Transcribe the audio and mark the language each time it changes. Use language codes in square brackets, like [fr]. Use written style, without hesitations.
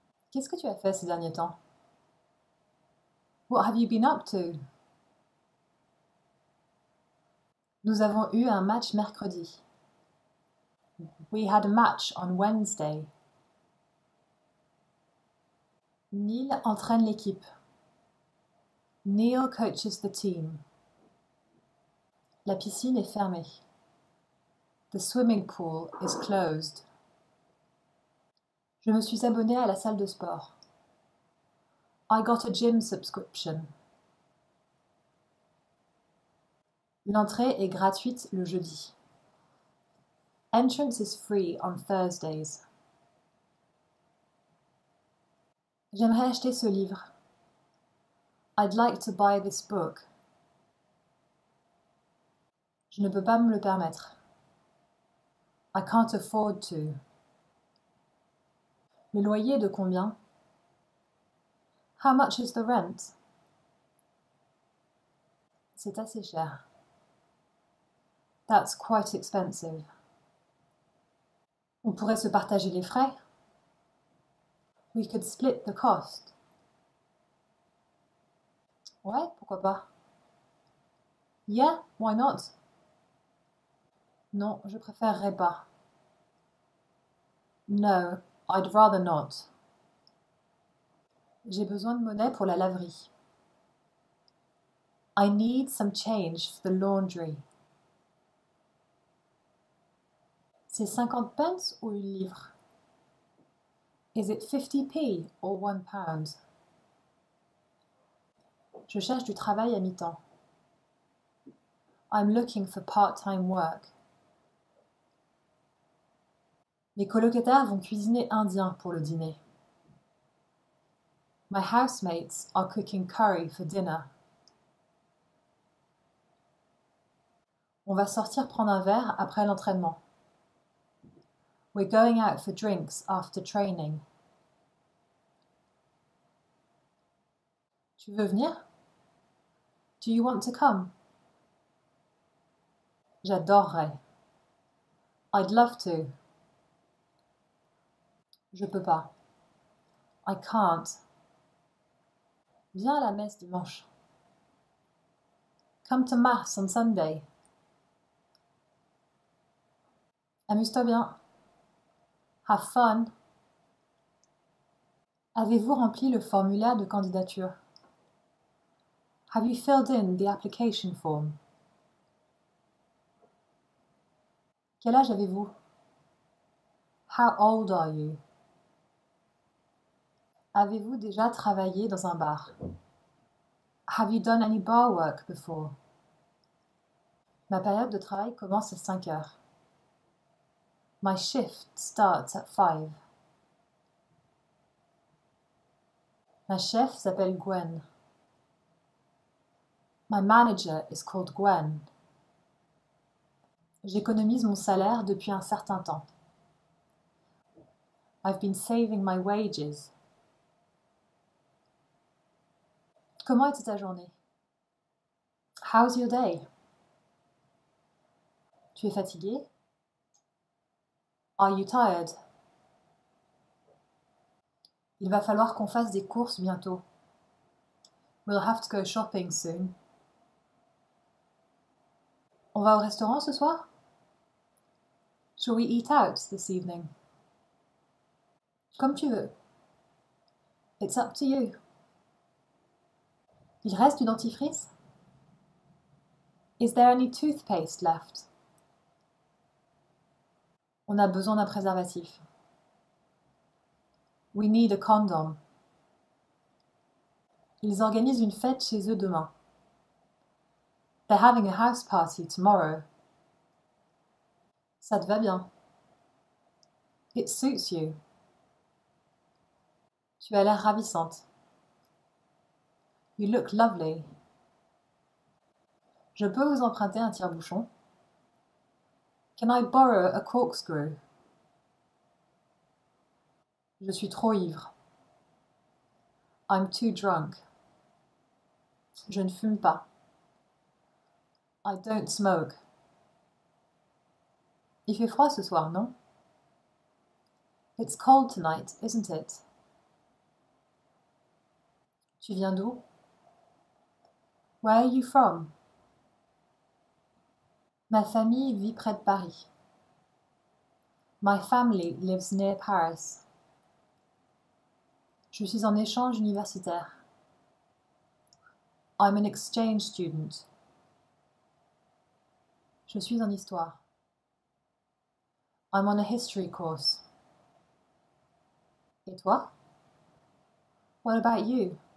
[fr] Qu'est-ce que tu as fait ces derniers temps? [en] What have you been up to? [fr] Nous avons eu un match mercredi. [en] We had a match on Wednesday. [fr] Neil entraîne l'équipe. [en] Neil coaches the team. [fr] La piscine est fermée. [en] The swimming pool is closed. [fr] Je me suis abonné à la salle de sport. [en] I got a gym subscription. [fr] L'entrée est gratuite le jeudi. [en] Entrance is free on Thursdays. [fr] J'aimerais acheter ce livre. [en] I'd like to buy this book. [fr] Je ne peux pas me le permettre. [en] I can't afford to. [fr] Le loyer est de combien? [en] How much is the rent? [fr] C'est assez cher. [en] That's quite expensive. [fr] On pourrait se partager les frais. [en] We could split the cost. [fr] Ouais, pourquoi pas? [en] Yeah, why not? [fr] Non, je préférerais pas. [en] No, I'd rather not. [fr] J'ai besoin de monnaie pour la laverie. [en] I need some change for the laundry. [fr] C'est 50 pence ou 1 livre? [en] Is it 50p or 1 pound? [fr] Je cherche du travail à mi-temps. [en] I'm looking for part-time work. [fr] Mes colocataires vont cuisiner indien pour le dîner. [en] My housemates are cooking curry for dinner. [fr] On va sortir prendre un verre après l'entraînement. [en] We're going out for drinks after training. [fr] Tu veux venir? [en] Do you want to come? [fr] J'adorerais. [en] I'd love to. [fr] Je peux pas. [en] I can't. [fr] Viens à la messe dimanche. [en] Come to Mass on Sunday. [fr] Amuse-toi bien. [en] Have fun. [fr] Avez-vous rempli le formulaire de candidature? [en] Have you filled in the application form? [fr] Quel âge avez-vous? [en] How old are you? [fr] Avez-vous déjà travaillé dans un bar? [en] Have you done any bar work before? [fr] Ma période de travail commence à 5 heures. [en] My shift starts at 5. [fr] Ma chef s'appelle Gwen. [en] My manager is called Gwen. [fr] J'économise mon salaire depuis un certain temps. [en] I've been saving my wages. [fr] Comment était ta journée? [en] How's your day? [fr] Tu es fatigué? [en] Are you tired? [fr] Il va falloir qu'on fasse des courses bientôt. [en] We'll have to go shopping soon. [fr] On va au restaurant ce soir? [en] Shall we eat out this evening? [fr] Comme tu veux. [en] It's up to you. [fr] Il reste du dentifrice? [en] Is there any toothpaste left? [fr] On a besoin d'un préservatif. [en] We need a condom. [fr] Ils organisent une fête chez eux demain. [en] They're having a house party tomorrow. [fr] Ça te va bien. [en] It suits you. [fr] Tu as l'air ravissante. [en] You look lovely. [fr] Je peux vous emprunter un tire-bouchon? [en] Can I borrow a corkscrew? [fr] Je suis trop ivre. [en] I'm too drunk. [fr] Je ne fume pas. [en] I don't smoke. [fr] Il fait froid ce soir, non? [en] It's cold tonight, isn't it? [fr] Tu viens d'où? [en] Where are you from? [fr] Ma famille vit près de Paris. [en] My family lives near Paris. [fr] Je suis en échange universitaire. [en] I'm an exchange student. [fr] Je suis en histoire. [en] I'm on a history course. [fr] Et toi? [en] What about you?